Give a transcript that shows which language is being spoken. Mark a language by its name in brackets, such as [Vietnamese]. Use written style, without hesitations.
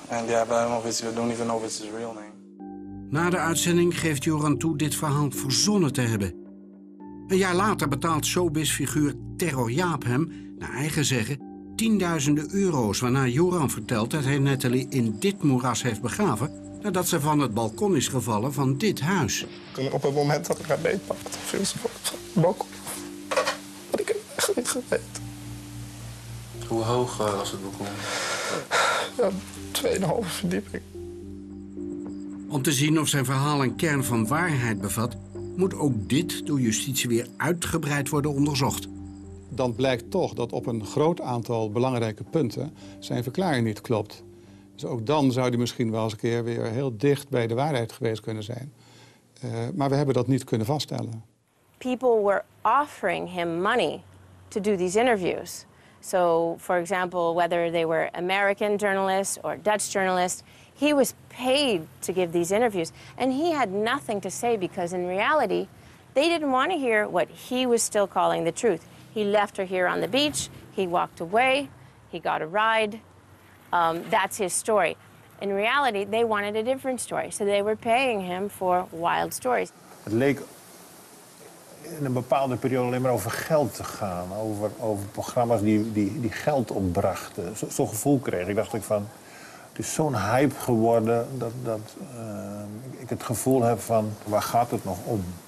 [English] And yeah, but I don't even know if it's his real name. [Dutch] Na de uitzending geeft Joran toe dit verhaal verzonnen te hebben. Een jaar later betaalt showbizfiguur Terror Jaap hem, naar eigen zeggen, tienduizenden euro's, waarna Joran vertelt dat hij Natalie in dit moeras heeft begraven nadat ze van het balkon is gevallen van dit huis. En op het moment dat ik haar beetpakte, viel ze op het balkon. Had ik het echt niet geweten. Hoe hoog was het balkon? Ja, 2,5 verdieping. Om te zien of zijn verhaal een kern van waarheid bevat, moet ook dit door justitie weer uitgebreid worden onderzocht. Dan blijkt toch dat op een groot aantal belangrijke punten zijn verklaring niet klopt. Dus ook dan zou die misschien wel eens een keer weer heel dicht bij de waarheid geweest kunnen zijn. Maar we hebben dat niet kunnen vaststellen. [English] People were offering him money to do these interviews. So, for example, whether they were American journalists or Dutch journalists, he was paid to give these interviews. And he had nothing to say because in reality, they didn't want to hear what he was still calling the truth. He left her here on the beach, he walked away, he got a ride. That's his story. In reality, they wanted a different story, so they were paying him for wild stories. [Dutch] Het leek in een bepaalde periode alleen maar over geld te gaan, over programma's die geld opbrachten. Zo'n gevoel kreeg ik. Dacht ik van, het is zo'n hype geworden dat ik het gevoel heb van, waar gaat het nog om?